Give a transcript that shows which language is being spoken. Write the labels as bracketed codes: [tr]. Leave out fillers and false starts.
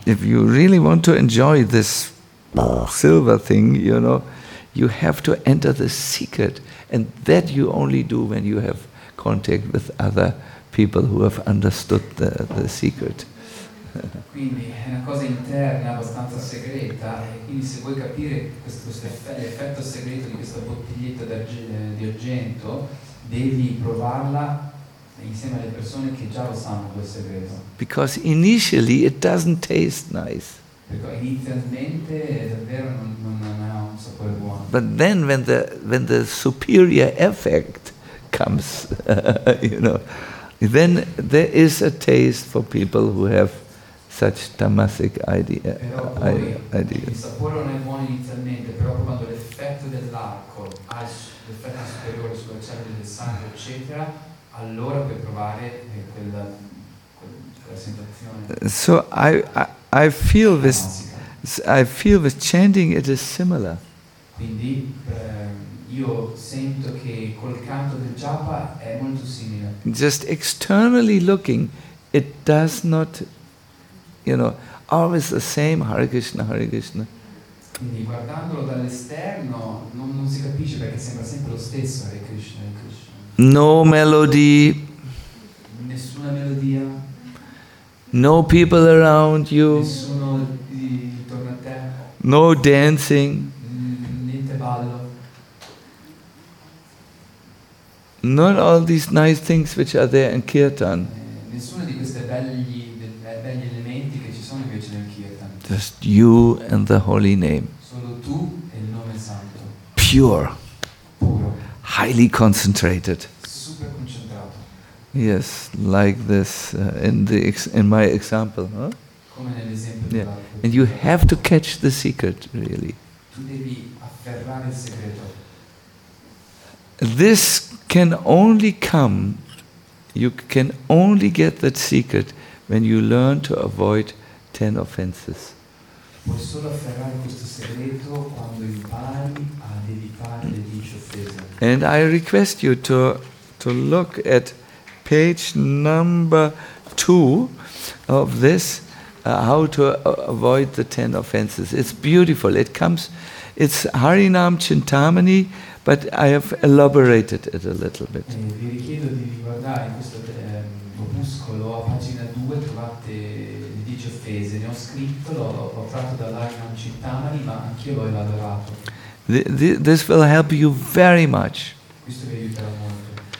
[en] If you really want to enjoy this silver thing, you know, you have to enter the secret, and that you only do when you have contact with other people who have understood the secret. [it] Quindi è una cosa interna abbastanza segreta, e quindi se vuoi capire l'effetto segreto di questa bottiglietta di argento, devi provarla insieme alle persone che già lo sanno quel segreto. [en] Because initially it doesn't taste nice. [it] Perché inizialmente davvero non ha un sapore buono. [en] But then when the superior effect comes, you know, then there is a taste for people who have such tamasic ideas. [it] Il sapore non è buono inizialmente, però quando l'effetto dell'alcol ha l'effetto superiore sulle cellule del sangue, eccetera, allora puoi provare quella sensazione. [en] So I feel this chanting, it is similar. [it] Quindi io sento che col canto del japa è molto simile. [en] Just externally looking, it does not, you know, always the same Hare Krishna, Hare Krishna. [it] Quindi guardandolo dall'esterno non si capisce perché sembra sempre lo stesso Hare Krishna, Hare Krishna. [en] No melody. [it] Nessuna melodia. [en] No people around you. [it] Nessuno intorno a te. [en] No dancing. [it] Niente ballo. [en] Not all these nice things which are there in Kirtan. [it] Nessuna di queste belli elementi che ci sono invece nel Kirtan. [en] Just you and the holy name. [it] Solo tu e il nome santo. [en] Pure. [it] Puro. [en] Highly concentrated. [it] Super concentrato. [en] Yes, like this in my example, huh? [it] Come nell'esempio. Yeah. [en] And you have to catch the secret, really. [it] Tu devi afferrare il segreto. [en] This can only come. You can only get that secret when you learn to avoid 10 offenses. [it] Puoi solo afferrare questo segreto quando impari ad evitare le 10 offese. [en] And I request you to look at page number 2 of this, how to avoid the 10 offenses. It's beautiful. It comes. It's Harinam Chintamani. But I have elaborated it a little bit. [it] Vi richiedo di guardare in questo opuscolo a pagina 2 trovate le 10 offese. Ne ho scritto, l'ho tratto dall'Harinam Chintamani, ma anch'io l'ho elaborato. [en] This will help you very much. [it] Questo vi aiuterà molto.